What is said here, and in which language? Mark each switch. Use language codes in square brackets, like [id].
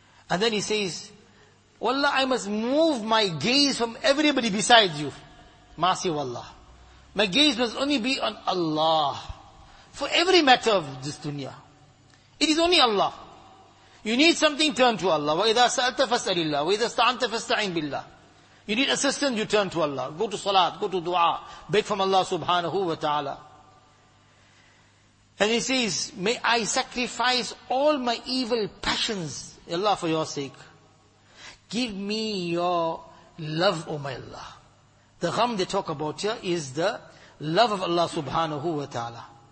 [en] And then he says, wallah, I must move my gaze from everybody besides you. Masi wallah. My gaze must only be on Allah. For every matter of this dunya. It is only Allah. You need something, turn to Allah. [ar] وَإِذَا سَأَلْتَ فَاسْأَلِ اللَّهِ وَإِذَا اسْتَعَنْتَ فَاسْتَعِنْ بِاللَّهِ [en] You need assistance, you turn to Allah. Go to salat, go to dua. Beg from Allah subhanahu wa ta'ala. And he says, may I sacrifice all my evil passions, Allah, for your sake. Give me your love, O my Allah. The gham they talk about here is the love of Allah subhanahu wa ta'ala.